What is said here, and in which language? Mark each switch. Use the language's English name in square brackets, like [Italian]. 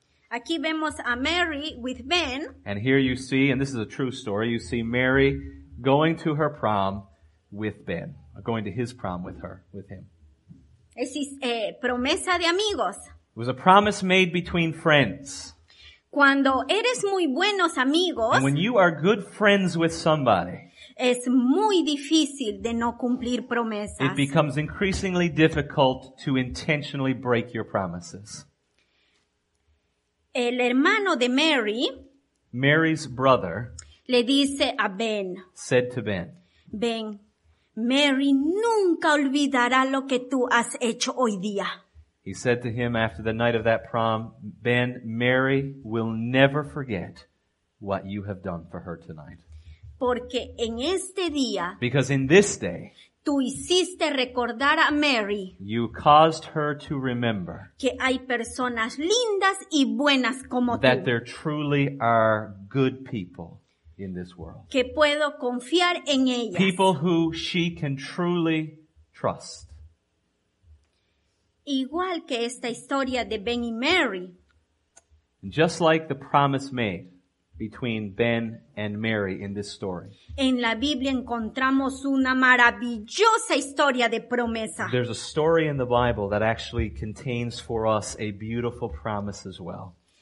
[Spanish] Aquí vemos a Mary [English] with Ben. And here you see, and this is a true story, you see Mary going to her prom with Ben. Going to his prom with her, with him. [Spanish] Promesa de amigos. [English] It was a promise made between friends. [Spanish] Cuando eres muy buenos amigos, [English] and when you are good friends with somebody, [Spanish] es muy difícil de no cumplir promesas. [English] It becomes increasingly difficult to intentionally break your promises. [Spanish] El hermano de Mary, [English] Mary's brother, [Spanish] le dice a Ben, [English] said to Ben, [Spanish] Ben, Mary nunca olvidará lo que tú has hecho hoy día. [English] He said to him after the night of that prom, Ben, Mary will never forget what you have done for her tonight. [Spanish] Porque en este día, [English] because in this day, [Spanish] tú hiciste recordar a Mary, [English] you caused her to remember, [Spanish] que hay personas lindas y buenas como [English] that [Spanish] tú. [English] There truly are good people. In this world. [Spanish] Que puedo confiar en ellas. [English] People who she can truly trust. [Spanish] Igual que esta historia de Ben y Mary. [English] Just like the promise made between Ben and Mary in this story. [Spanish] En la Biblia encontramos una maravillosa historia de promesa. [English] There's a story in the Bible that actually contains for us a beautiful promise as well.